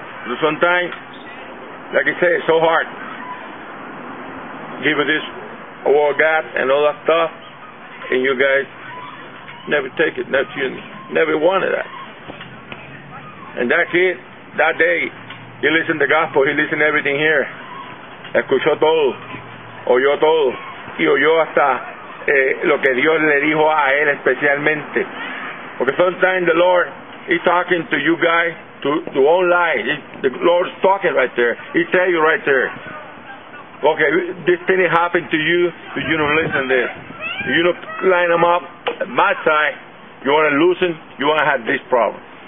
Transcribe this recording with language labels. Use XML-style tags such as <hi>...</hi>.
<en>But sometimes, like I say, it's so hard. Giving this word of God and all that stuff, and you guys never take it, never wanted that. And that kid, that day, he listened to the gospel, he listened to everything here.</en> <es>Escuchó todo, oyó todo, y oyó hasta lo que Dios le dijo a él especialmente.</es> <en>Because sometimes the Lord is talking to you guys, to your own life. The Lord's talking right there. He tell you right there. Okay, this thing happened to you, but you don't listen to this. You don't line them up at my side. You want to loosen, you want to have this problem.</en>